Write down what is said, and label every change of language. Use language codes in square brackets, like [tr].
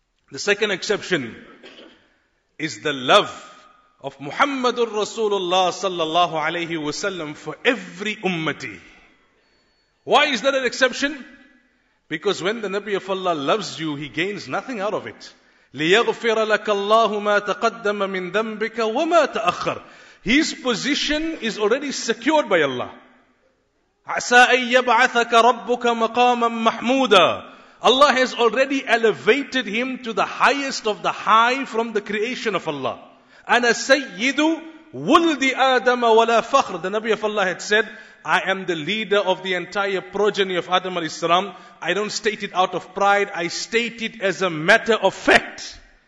[en] The second exception is the love of Muhammadur Rasulullah sallallahu alayhi wasallam for every ummati. Why is that an exception? Because when the Nabi of Allah loves you, he gains nothing out of it. [ar] لِيَغْفِرَ لَكَ اللَّهُ مَا تَقَدَّمَ مِنْ ذَنْبِكَ وَمَا تَأَخَّرَ. [en] His position is already secured by Allah. [ar] عَسَىٰ أَن يَبْعَثَكَ رَبُّكَ مَقَامًا مَحْمُودًا. [en] Allah has already elevated him to the highest of the high from the creation of Allah. [ar] أَنَا سَيِّدُ وُلْدِ آدَمَ وَلَا فَخْرَ. [en] The Nabi of Allah had said, I am the leader of the entire progeny of Adam a.s. I don't state it out of pride. I state it as a matter of fact.